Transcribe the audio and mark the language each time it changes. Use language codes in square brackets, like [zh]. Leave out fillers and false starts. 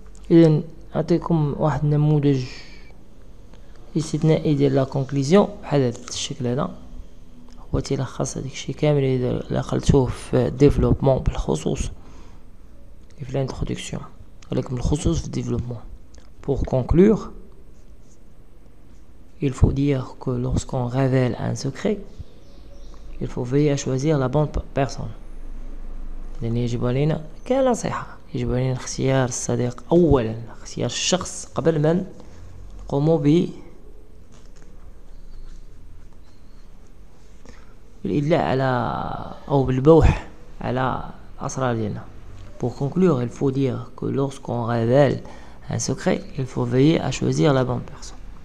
[ar] اذا نعطيكم واحد النموذج استثنائي ديال لا كونكلوزيون بحال هذا الشكل هذا، وتلخص هذاك الشيء كامل اللي دخلتوه في ديفلوبمون بالخصوص في الانتروداكسيون، ولكن بالخصوص في ديفلوبمون. [fr] Pour conclure, il faut dire que lorsqu'on révèle un secret, il faut veiller à choisir la bonne personne. [ar] يعني يجب علينا كنصيحة، يجب علينا اختيار الصديق أولا، اختيار الشخص قبل ما نقوموا به بالإدلاء على أو بالبوح على أسرار ديالنا. [fr] Pour conclure, il faut dire que lorsqu'on révèle un secret, il faut veiller à choisir la bonne personne.